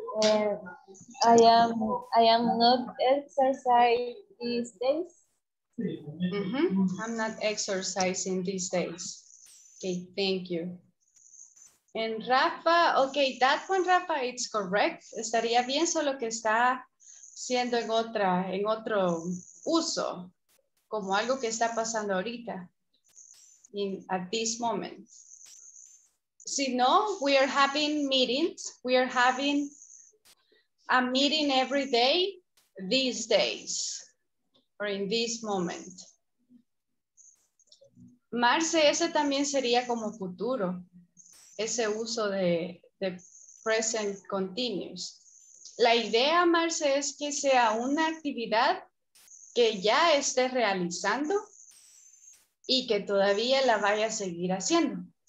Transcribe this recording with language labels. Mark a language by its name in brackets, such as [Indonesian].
[English] I am not exercising these days. Mm-hmm. I'm not exercising these days. Okay, thank you. And Rafa, okay, that one, Rafa, it's correct. [Spanish] Estaría bien, solo que está siendo en otro uso. Como algo que está pasando ahorita, [English] at this moment. [Spanish] Si no, [English] we are having meetings. We are having a meeting every day, these days, or in this moment. [Spanish] Marce, ese también sería como futuro, ese uso de present continuous. La idea, Marce, es que sea una actividad que ya esté realizando y que todavía la vaya a seguir haciendo.